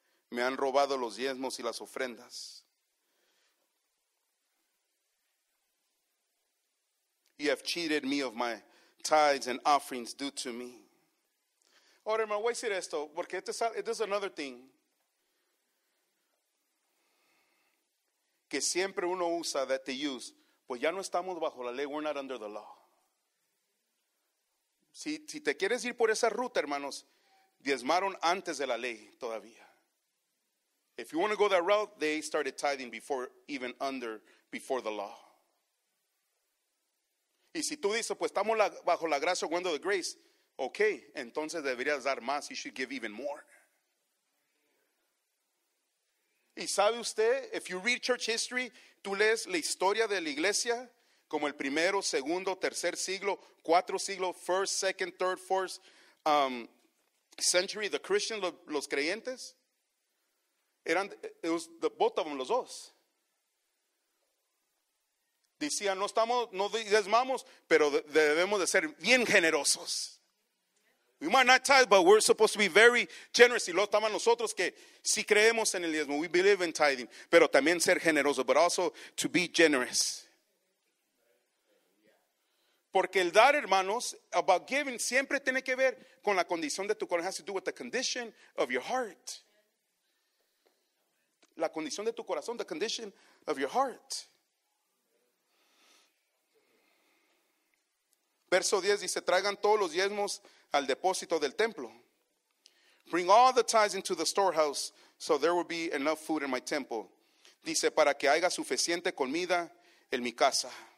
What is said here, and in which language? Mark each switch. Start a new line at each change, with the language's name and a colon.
Spanish: Me han robado los diezmos y las ofrendas.
English: You have cheated me of my tithes and offerings due to me.
Spanish: Ahora, hermano, voy a decir esto, porque
English: this is another thing
Spanish: que siempre uno usa,
English: that they use.
Spanish: Pues ya no estamos bajo la ley,
English: we're not under the law.
Spanish: Si te quieres ir por esa ruta, hermanos, diezmaron antes de la ley todavía.
English: If you want to go that route, they started tithing before the law.
Spanish: Y si tú dices, pues estamos bajo la gracia,
English: window of the grace,
Spanish: ok, entonces deberías dar más,
English: you should give even more.
Spanish: Y sabe usted,
English: if you read church history,
Spanish: tú lees la historia de la iglesia, como el primero, segundo, tercer siglo, cuatro siglos,
English: first, second, third, fourth century, the Christians,
Spanish: los creyentes,
English: eran, it was the both of them,
Spanish: los dos. Decían, no estamos, no diezmamos, pero debemos de ser bien generosos.
English: We might not tithe, but we're supposed to be very generous.
Spanish: Y lo estamos nosotros que si creemos en el diezmo,
English: we believe in tithing,
Spanish: pero también ser generoso,
English: but also to be generous.
Spanish: Porque el dar, hermanos,
English: about giving,
Spanish: siempre tiene que ver con la condición de tu corazón.
English: It has to do with the condition of your heart.
Spanish: La condición de tu corazón,
English: the condition of your heart.
Spanish: Verso 10 dice, traigan todos los diezmos al depósito del templo.
English: Bring all the tithes into the storehouse so there will be enough food in my temple.
Spanish: Dice, para que haya suficiente comida en mi casa.